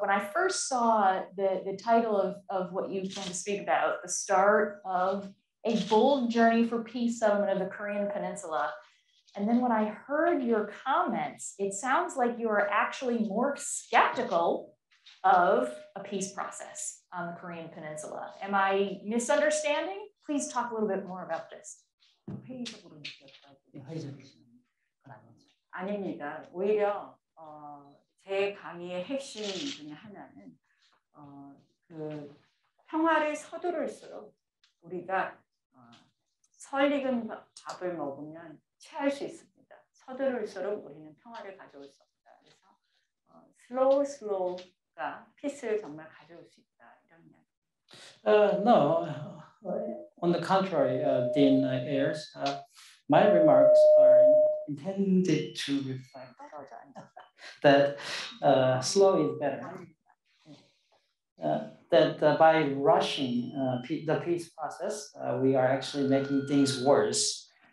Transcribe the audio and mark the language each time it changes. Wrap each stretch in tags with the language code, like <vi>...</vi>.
<en>When I first saw the title of what you came to speak about, the start of a bold journey for peace settlement of the Korean Peninsula, and then when I heard your comments, it sounds like you are actually more skeptical of a peace process on the Korean Peninsula. Am I misunderstanding? Please talk a little bit more about this.</en> <ko>회의적으로 느꼈다고 회의적이신 거라면 아닙니다. 오히려 제 강의의 핵심 중에 하나는 그 평화를 서두를수록 우리가 설익은 밥을 먹으면 체할 수 있습니다. 서두를수록 우리는 평화를 가져올 수 없다. 그래서</ko> <en>slow slow</en> <ko>가 peace를 정말 가져올 수 있다 이런 이야기.</ko> <en>No. On the contrary, Dean Ayers, my remarks are intended to reflect that slow is better. That by rushing the peace process, we are actually making things worse.</en>